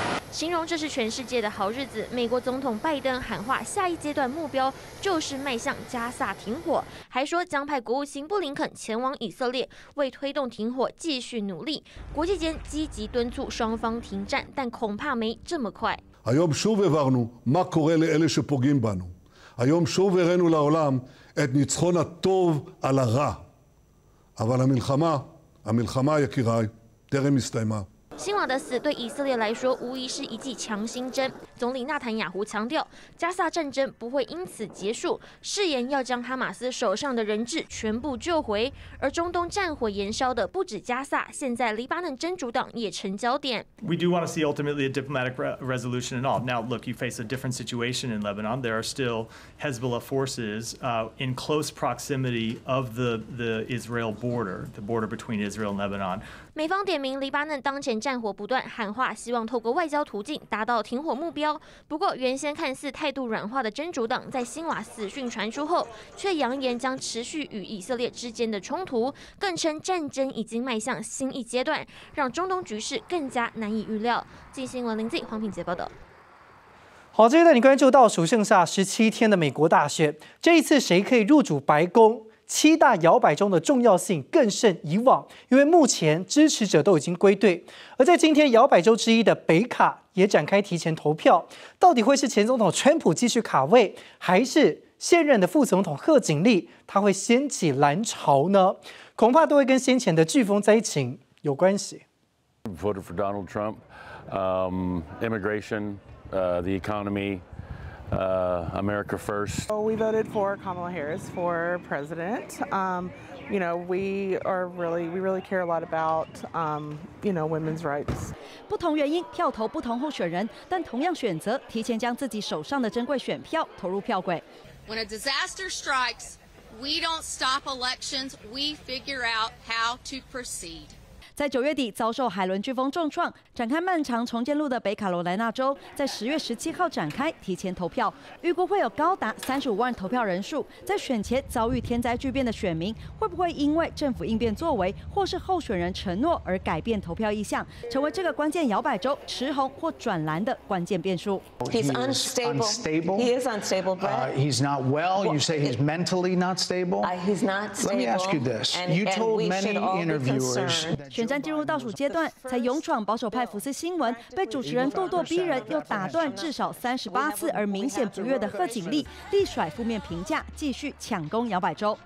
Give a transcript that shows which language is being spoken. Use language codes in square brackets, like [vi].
[zh] 形容这是全世界的好日子。美国总统拜登喊话，下一阶段目标就是迈向加萨停火，还说将派国务卿布林肯前往以色列，为推动停火继续努力。国际间积极敦促双方停战，但恐怕没这么快。 [he] היום שוב הבנו מה קורה לאלה שפוגעים בנו. היום שוב הראינו לעולם את ניצחון הטוב על הרע. אבל המלחמה יקיריי טרם הסתיימה. [zh] 辛瓦的死对以色列来说无疑是一剂强心针。总理纳坦雅胡强调，加萨战争不会因此结束，誓言要将哈马斯手上的人质全部救回。而中东战火延烧的不止加萨，现在黎巴嫩真主党也成焦点。 [en] We do want to see ultimately a diplomatic resolution and all. Now, look, you face a different situation in Lebanon. There are still Hezbollah forces in close proximity of the Israel border, the border between Israel and Lebanon. [zh] 美方点名黎巴嫩当前战火不断，喊话希望透过外交途径达到停火目标。不过原先看似态度软化的真主党，在辛瓦死讯传出后，却扬言将持续与以色列之间的冲突，更称战争已经迈向新一阶段，让中东局势更加难以预料。镜新闻林静、黄品杰报道。好，接下来你关注倒数剩下十七天的美国大选，这一次谁可以入主白宫？七大摇摆中的重要性更胜以往，因为目前支持者都已经归队。而在今天摇摆州之一的北卡也展开提前投票，到底会是前总统川普继续卡位，还是现任的副总统贺锦丽他会掀起蓝潮呢？恐怕都会跟先前的飓风灾情有关系。 [en] Voted for Donald Trump, immigration, the economyAmerica first. Well, we voted for Kamala Harris for president. You know, we really care a lot about, you know, women's rights. [zh] 不同原因票投不同候选人，但同样选择提前将自己手上的珍贵选票投入票柜。 [en] When a disaster strikes, we don't stop elections. We figure out how to proceed. [zh] 在九月底遭受海伦飓风重创，展开漫长重建路的北卡罗来纳州，在十月十七号展开提前投票，预估会有高达三十五万投票人数。在选前遭遇天灾巨变的选民，会不会因为政府应变作为或是候选人承诺而改变投票意向，成为这个关键摇摆州持红或转蓝的关键变数 [en] ？He's unstable. He is unstable, but he's not well. You say he's mentally not stable. He's not stable. Let me ask you this. You told many interviewers. [zh] 选战进入倒数阶段，才勇闯保守派福斯新闻，被主持人咄咄逼人又打断至少三十八次而明显不悦的贺锦丽，力甩负面评价，继续抢攻摇摆州。